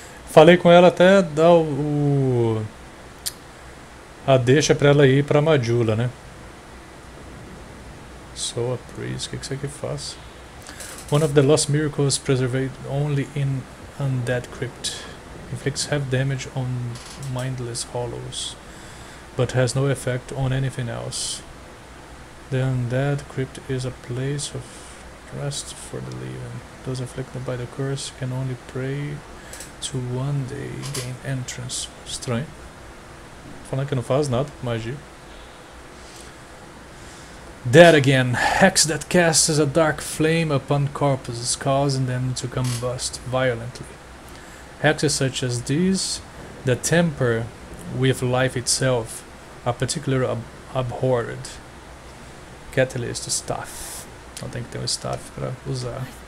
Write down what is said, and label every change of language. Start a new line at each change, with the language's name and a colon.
Portuguese: Falei com ela até dar a deixa para ela ir para Majula, né? Soa Priest, o que você que faz?
English: One of the lost miracles preserved only in Undead Crypt. Inflicts half damage on mindless hollows, but has no effect on anything else. The Undead Crypt is a place of rest for the living. Those afflicted by the curse can only pray to one day gain entrance.
Portuguese: Estranho. Falando que não faz nada, magia.
English: Dead again. Hex that casts a dark flame upon corpses, causing them to combust violently. Hexes such as these, that temper with life itself, are particularly abhorred. Catalyst staff.
Portuguese: Não tem que ter um staff para usar.